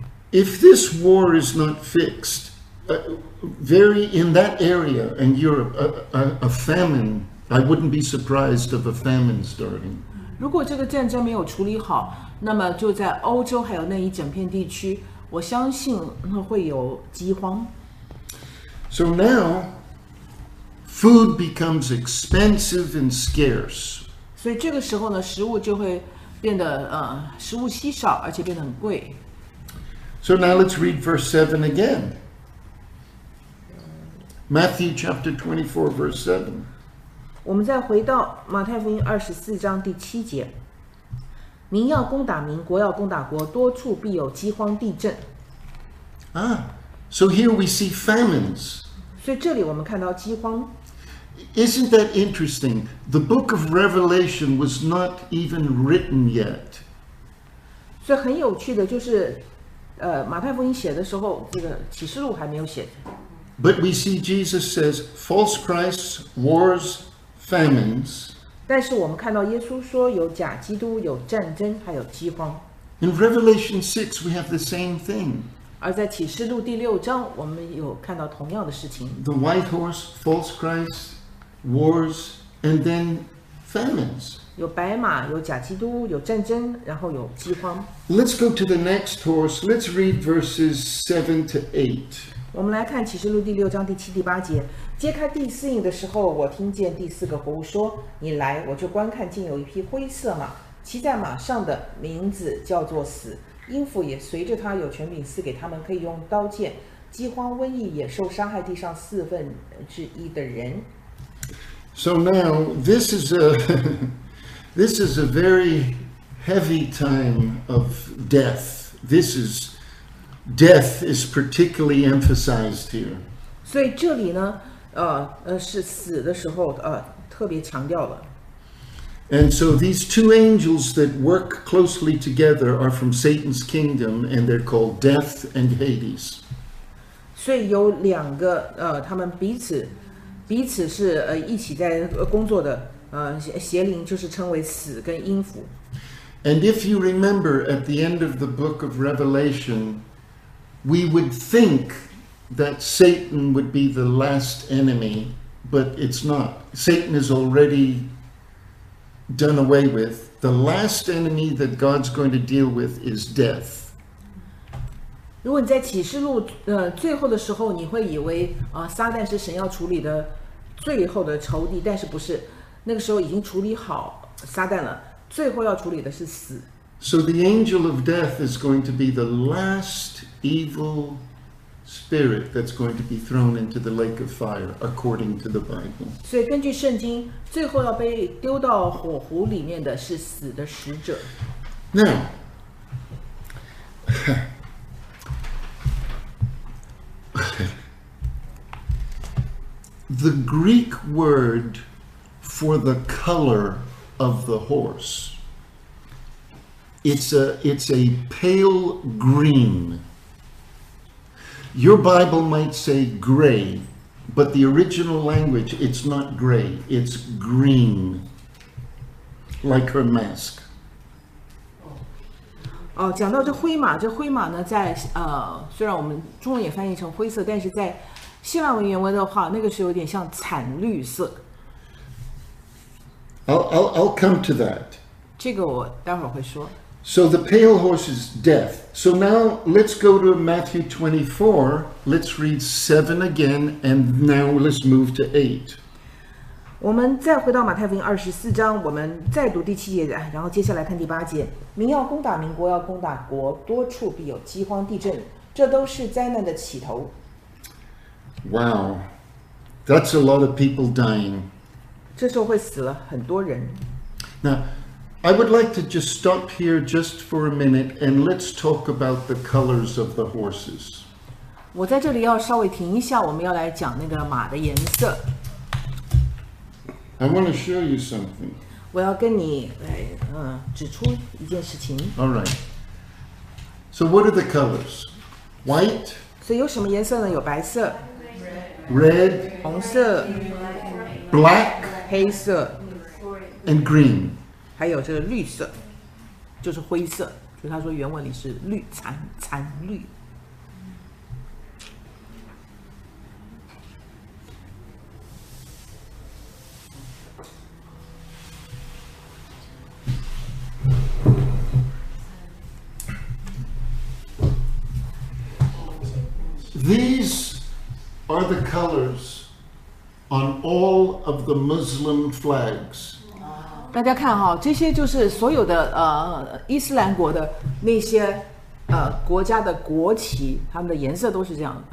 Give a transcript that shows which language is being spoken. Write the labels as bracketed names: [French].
[English] If this war is not fixed, in that area in Europe, a famine, I wouldn't be surprised of a famine starting. [Chinese] 如果这个战争没有处理好，那么就在欧洲还有那一整片地区，我相信会有饥荒。 [English] So now, food becomes expensive and scarce. [Chinese] 所以这个时候呢，食物就会变得食物稀少，而且变得很贵。 [English] So now let's read verse 7 again. Matthew chapter 24, verse 7. [Chinese] 我们再回到马太福音二十四章第七节，民要攻打民，国要攻打国，多处必有饥荒地震。 [English] So here we see famines. [Chinese] 所以这里我们看到饥荒。 [English] Isn't that interesting? The book of Revelation was not even written yet. [Chinese] 所以很有趣的就是，马太福音写的时候，这个启示录还没有写。 [English] But we see Jesus says false Christs, wars. Famines. [Chinese] 但是我们看到耶稣说有假基督，有战争，还有饥荒。 [English] In Revelation 6, we have the same thing. [Chinese] 而在启示录第六章，我们有看到同样的事情。 [English] The white horse, false Christ, wars, and then famines. [Chinese] 有白马，有假基督，有战争，然后有饥荒。 [English] Let's go to the next horse. Let's read verses 7-8. [Chinese] 我们来看启示录第六章第七、第八节。揭开第四印的时候，我听见第四个活物说：“你来，我就观看，竟有一匹灰色马，骑在马上的名字叫做死。” 音符也随着他，有权柄赐给他们，可以用刀剑。饥荒瘟疫也受伤害地上四分之一的人。 [English] So now this is a this is a very heavy time of death. This is death is particularly emphasized here. [Chinese] 所以这里呢，是死的时候，特别强调了。 [English] And so these two angels that work closely together are from Satan's kingdom, and they're called Death and Hades. [Chinese] 所以有两个，他们彼此是一起在工作的，邪灵就是称为死跟阴符。 [English] And if you remember at the end of the book of Revelation, we would think that Satan would be the last enemy, but it's not. Satan is already... done away with. The last enemy that God's going to deal with is death. [Chinese] 如果你在启示录最后的时候，你会以为撒旦是神要处理的最后的仇敌，但是不是，那个时候已经处理好撒旦了，最后要处理的是死。 [English] So the angel of death is going to be the last evil spirit that's going to be thrown into the lake of fire, according to the Bible. [Chinese] 所以根据圣经，最后要被丢到火湖里面的是死的使者。 [English] Now, the Greek word for the color of the horse, it's a pale green. Your Bible might say gray, but the original language, it's not gray, it's green, like her mask. [Chinese] 哦，讲到这灰马呢，在虽然我们中文也翻译成灰色，但是在希腊文原文的话，那个是有点像惨绿色。 [English] I'll come to that. [Chinese] 这个我待会儿会说。 [English] So the pale horse is death. So now let's go to Matthew 24. Let's read 7 again, and now let's move to 8. [Chinese] 我们再回到马太福音24章，我们再读第七节，然后接下来看第八节。民要攻打民，国要攻打国，多处必有饥荒、地震，这都是灾难的起头。 [English] Wow, that's a lot of people dying. [Chinese] 这时候会死了很多人。 [English] Now,I would like to just stop here just for a minute and let's talk about the colors of the horses. [Chinese] 我在这里要稍微停一下，我们要来讲那个马的颜色。 [English] I want to show you something. [Chinese] 我要跟你来指出一件事情。 [English] All right. So what are the colors? White? [Chinese] 所以有什么颜色呢？有白色。 [English] Red? [Chinese] 红色。 [English] Black? [Chinese] 黑色。 [English] And green? [Chinese] 还有这个绿色，就是灰色，所以他说原文里是绿，惨绿。 [English] These are the colors on all of the Muslim flags. [Chinese] 大家看哈，这些就是所有的伊斯兰国的那些国家的国旗，他们的颜色都是这样的。